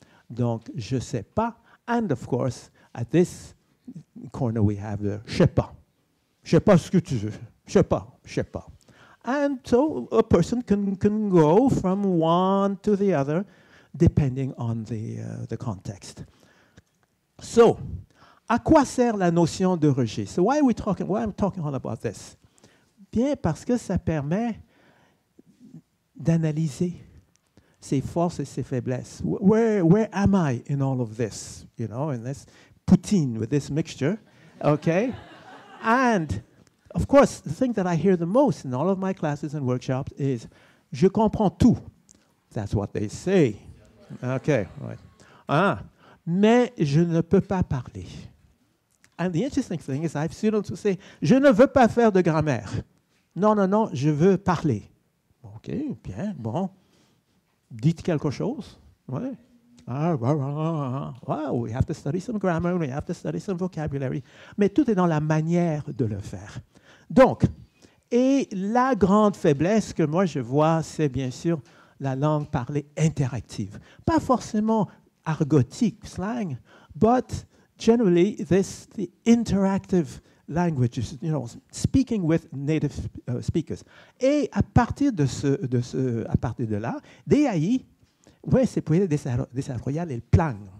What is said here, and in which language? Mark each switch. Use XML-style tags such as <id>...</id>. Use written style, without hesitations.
<fr>Donc, je sais pas.</fr> <en>And of course, at this corner we have the</en> <fr>je sais pas ce que tu veux, je sais pas.</fr> <en>And so a person can go from one to the other depending on the context. So</en> <fr>à quoi sert la notion de registre?</fr> <en>So why am I talking all about this?</en> <fr>Bien parce que ça permet d'analyser ses forces et ses faiblesses.</fr> <en>Where am I in all of this, in this poutine with this mixture, okay? And, of course, the thing that I hear the most in all of my classes and workshops is,</en> <fr>je comprends tout.</fr> <en>That's what they say. Okay, right.</en> <fr>Mais je ne peux pas parler.</fr> <en>And the interesting thing is, I have students who say,</en> <fr>je ne veux pas faire de grammaire. Non, je veux parler.</fr> <en>Okay,</en> <fr>bien, bon. Dites quelque chose, ouais.</fr> <en>Wow, we have to study some grammar, we have to study some vocabulary.</en> <fr>Mais tout est dans la manière de le faire. Donc, et la grande faiblesse que moi je vois, c'est bien sûr la langue parlée interactive. Pas forcément argotique,</fr> <en>slang, but generally the interactive languages, speaking with native speakers.</en> <fr>Et à partir de là, DAI, oui, c'est pour</fr> <es>desarrollar el plan.</es>